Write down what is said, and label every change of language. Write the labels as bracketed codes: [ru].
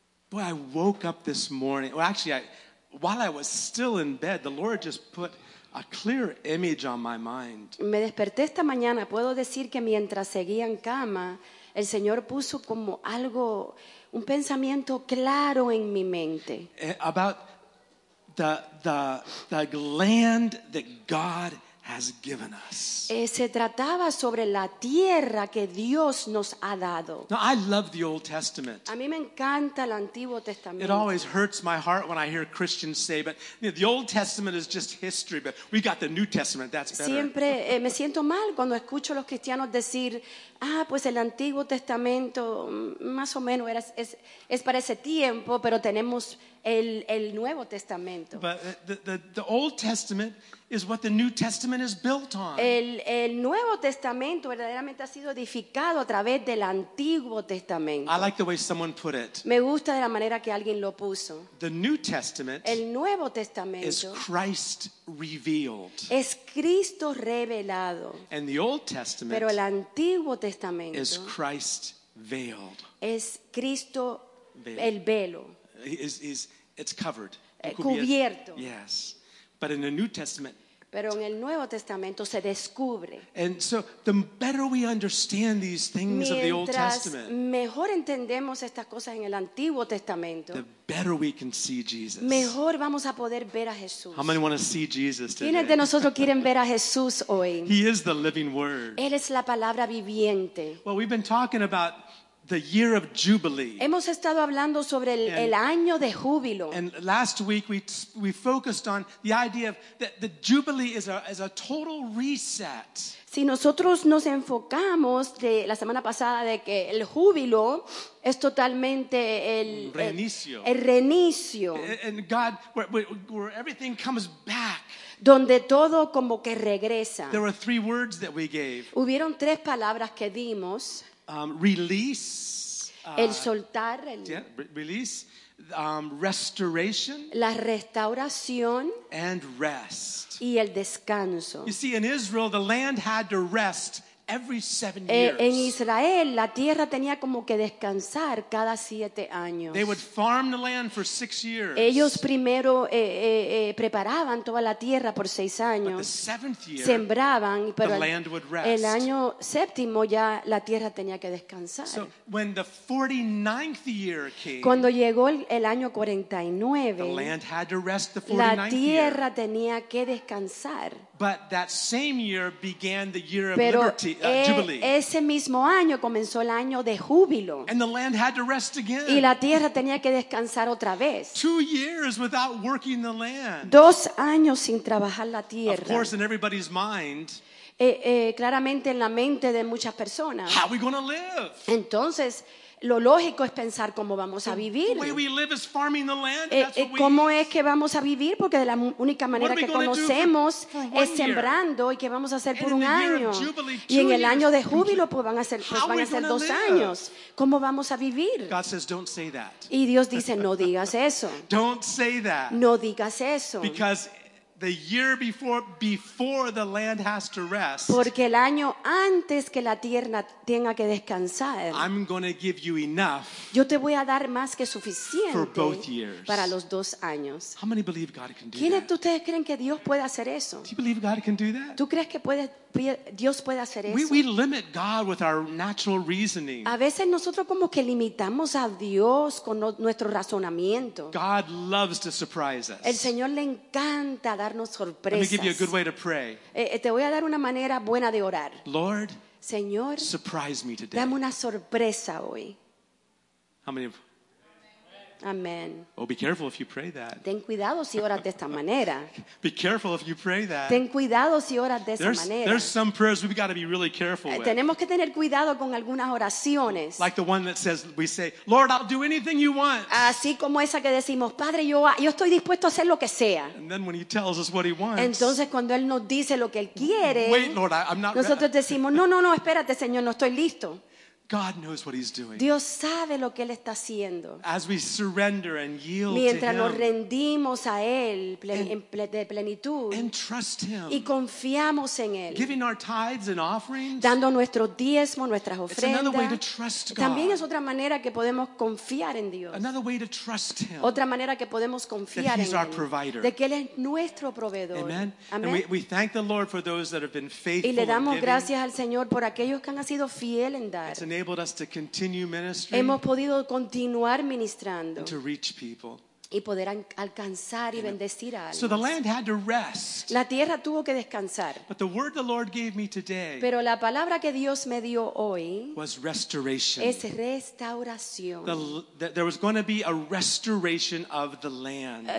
[en] Boy, I woke up this morning. Well, actually, while I was still in bed, the Lord just put a clear image on my mind. [es] Me desperté esta mañana. Puedo decir que mientras seguía en cama, el Señor puso como algo, un pensamiento claro en mi mente. [en] About the land that God has given us. [es] Se trataba sobre la tierra que Dios nos ha dado. [en] Now, I love the Old Testament. [es] A mí me encanta el Antiguo Testamento. [en] It always hurts my heart when I hear Christians say, but you know, the Old Testament is just history, but we got the New Testament, that's better. [es] Siempre me siento mal cuando escucho a los cristianos decir, ah, pues el Antiguo Testamento más o menos es para ese tiempo, pero tenemos el Nuevo Testamento. [en] But the Old Testament is what the New Testament is built on. [es] El Nuevo Testamento verdaderamente ha sido edificado a través del Antiguo Testamento. [en] I like the way someone put it. [es] Me gusta de la manera que alguien lo puso. [en] The New Testament, [es] el Nuevo Testamento, [en] is Christ revealed. [es] Es Cristo revelado. [en] And the Old Testament, [es] pero el Antiguo Testamento, [en] is Christ veiled. [es] Es Cristo el velo. [en] It's covered. [es] Cubierto. [en] Yes. But in the New Testament, [es] pero en el Nuevo Testamento se descubre. [en] And so the better we understand these things of the Old Testament, [es] mejor entendemos estas cosas en el Antiguo Testamento, [en] the better we can see Jesus. [es] Mejor vamos a poder ver a Jesús. [en] How many want to see Jesus today? [es] ¿Quiénes de nosotros quieren ver a Jesús hoy? [en] He is the living word. [es] Él es la palabra viviente. [en] Well, we've been talking about the year of jubilee. [es] Hemos estado hablando sobre el año de júbilo. [en] And last week we focused on the idea of that the jubilee is a total reset. [es] Si nosotros nos enfocamos de la semana pasada de que el júbilo es totalmente el reinicio. [en] And God where everything comes back. [es] Donde todo como que regresa. [en] There were three words that we gave. [es] Hubieron tres palabras que dimos. [en] Release, [es] el soltar, el, [en] yeah, release, restoration, [es] la restauración, [en] and rest, [es] y el descanso. [en] You see, in Israel, the land had to rest every 7 years. [es] En Israel, la tierra tenía como que descansar cada 7 años. [en] They would farm the land for 6 years. [es] Ellos primero preparaban toda la tierra por 6 años. [en] But the seventh year, [es] sembraban, pero [en] the land would rest. [es] El año séptimo ya la tierra tenía que descansar. [en] So when the 49th year came, [es] cuando llegó el año 49, [en] the land had to rest the 49th [es] la tierra [en] year. [es] Tenía que descansar. [en] But that same year began the year of liberty, jubilee. [es] Ese mismo año comenzó el año de júbilo. [en] And the land had to rest again. [es] Y la tierra tenía que descansar otra vez. [en] 2 years without working the land. [es] 2 años sin trabajar la tierra. [en] Of course, in everybody's mind. [es] Claramente en la mente de muchas personas. [en] How are we going to live? [es] Entonces, lo lógico es pensar cómo vamos a vivir. [en] The way we live is farming the land. [es] ¿Cómo es que vamos a vivir? Porque de la única manera que conocemos es sembrando. [en] Year? [es] ¿Y qué vamos a hacer [en] and [es] por un año? [en] Jubilee, [es] y en el año de júbilo pues van a ser, pues, van a ser 2 años. ¿Cómo vamos a vivir? [en] God says, don't say that. [es] Y Dios dice, no digas eso. [en] Don't say that. [es] No digas eso. [en] Because the year before the land has to rest. [es] Porque el año antes que la tierra tenga que descansar. [en] I'm going to give you enough. [es] Yo te voy a dar más que suficiente. [en] For both years. [es] Para los 2 años. [en] How many believe God can do that? [es] ¿Quiénes de ustedes creen que Dios puede hacer eso? [en] Do you believe God can do that? [es] ¿Tú crees que puede, Dios puede hacer eso? [en] We limit God with our natural reasoning. [es] A veces nosotros como que limitamos a Dios con nuestro razonamiento. [en] God loves to surprise us. [es] El Señor le encanta darnos sorpresas. [en] Let me give you a good way to pray. [es] Te voy a dar una manera buena de orar. [en] Lord, [es] Señor, [en] surprise me today. [es] Dame una sorpresa hoy. [en] How many? Amen. Oh, be careful if you pray that. [es] Ten cuidado si oras de esta manera. [en] Be careful if you pray that. [es] Ten cuidado si oras de esa [en] there's, [es] manera. [en] There's some prayers we've got to be really careful with. [es] Tenemos que tener cuidado con algunas oraciones. [en] Like the one that says, we say, Lord, I'll do anything you want. [es] Así como esa que decimos, Padre, yo estoy dispuesto a hacer lo que sea. [en] And then when he tells us what he wants. [es] Entonces cuando él nos dice lo que él quiere. [en] Wait, Lord, I'm not [es] nosotros decimos, no, espérate, Señor, no estoy listo. [en] God knows what he's doing. [es] Dios sabe lo que él está haciendo. [en] As we surrender and yield [es] mientras nos rendimos a él de plenitud, [en] and trust him, [es] y confiamos en él, [en] giving our tithes and offerings, [es] dando nuestro diezmo, nuestras ofrendas, [en] it's another way to trust God. [es] También es otra manera que podemos confiar en Dios. [en] Another way to trust him, [es] otra manera que podemos confiar [en] that he's [es] en [en] our [es] él, [en] provider, [es] de que él es nuestro proveedor. Amen. [en] And we thank the Lord for those that have been faithful. [es] Y le damos [en] in [es] gracias al Señor por aquellos que han sido fiel en dar. [en] Enabled us to continue ministry. [es] Hemos podido continuar ministrando. [en] And to reach people. [es] Y poder alcanzar y bendecir a alguien. [en] So the land had to rest. [es] La tierra tuvo que descansar. [en] But the word the Lord gave me today. [es] Pero la palabra que Dios me dio hoy. [en] Was restoration. [es] Es restauración. [en] There was going to be a restoration of the land.